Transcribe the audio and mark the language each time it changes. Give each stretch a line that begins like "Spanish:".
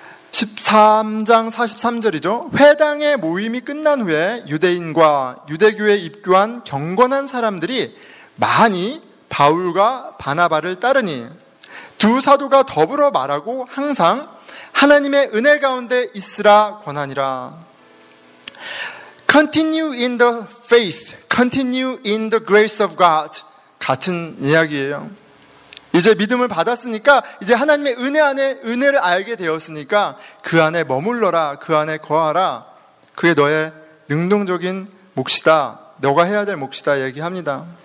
Korean: 13장 43절이죠. 회당의 모임이 끝난 후에 유대인과 유대교에 입교한 경건한 사람들이 많이 바울과 바나바를 따르니 두 사도가 더불어 말하고 항상 하나님의 은혜 가운데 있으라 권하니라.
English: Continue in the faith, continue in the grace of God.
Korean: 같은 이야기예요. 이제 믿음을 받았으니까 이제 하나님의 은혜 안에 은혜를 알게 되었으니까 그 안에 머물러라, 그 안에 거하라. 그게 너의 능동적인 몫이다. 너가 해야 될 몫이다 얘기합니다.